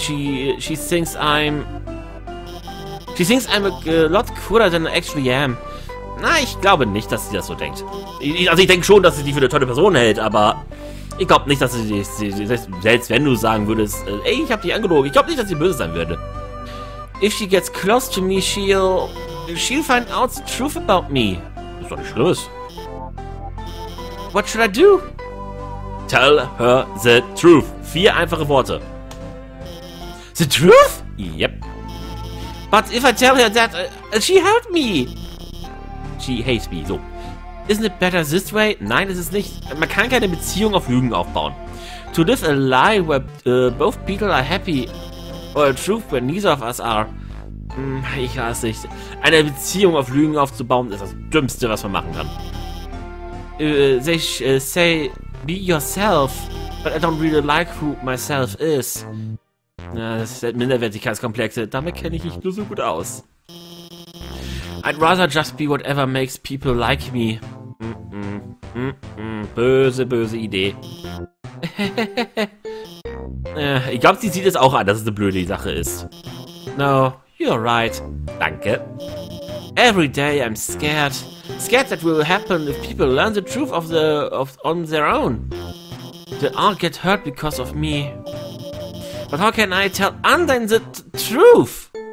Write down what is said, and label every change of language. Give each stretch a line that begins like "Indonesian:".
English: She thinks I'm a lot cooler than I actually am.
German: Na, ich glaube nicht, dass sie das so denkt. Also ich denke schon, dass sie die für eine tolle Person hält, aber ich glaube nicht, dass sie selbst wenn du sagen würdest, ey, ich habe dich angelogen, ich glaube nicht, dass sie böse sein würde.
English: If she gets close to me, she'll find out the truth about me.
German: Das ist doch nicht schlimm.
English: What should I do? Tell her the truth.
German: Vier einfache Worte.
English: The truth? Yep. But if I tell her that, she hurt me. She hates me. So. Isn't it better this way?
German: Nein, es ist nicht. Man kann keine Beziehung auf Lügen aufbauen.
English: To live a lie where both people are happy, or a truth where neither of us are.
German: Ich weiß nicht. Eine Beziehung auf Lügen aufzubauen, ist das Dümmste, was man machen kann.
English: They say, be yourself, but I don't really like who myself is.
German: Das sind Minderwertigkeitskomplexe. Damit kenne ich mich nur so gut aus.
English: I'd rather just be whatever makes people like me.
German: Böse, böse Idee. Ich glaube, sie sieht es auch an, dass es eine blöde Sache ist.
English: No, you're right. Danke. Every day I'm scared. Scared that will happen if people learn the truth on their own. They all get hurt because of me. But how can I tell Undyne the truth?